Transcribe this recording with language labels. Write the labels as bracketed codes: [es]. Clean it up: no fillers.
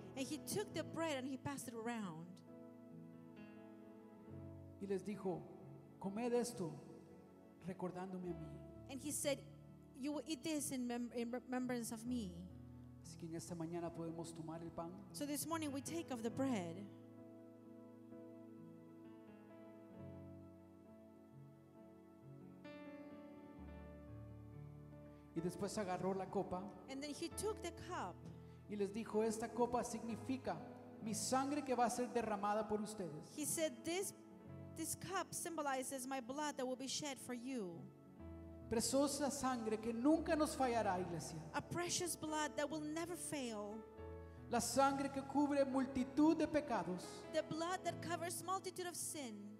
[en] and he took the bread and he passed it around. [es] Y les dijo, comed esto recordándome a mí. [en] And he said, you will eat this in remembrance of me. [es] Así que en esta mañana podemos tomar el pan. [en] So this morning we take of the bread. Thank you. [es] Y después agarró la copa. [en] And then he took the cup. [es] Y les dijo, esta copa significa mi sangre que va a ser derramada por ustedes. [en] He said, this cup symbolizes my blood that will be shed for you. [es] Preciosa sangre que nunca nos fallará, iglesia. [en] A precious blood that will never fail. [es] La sangre que cubre multitud de pecados. [en] The blood that covers multitude of sin.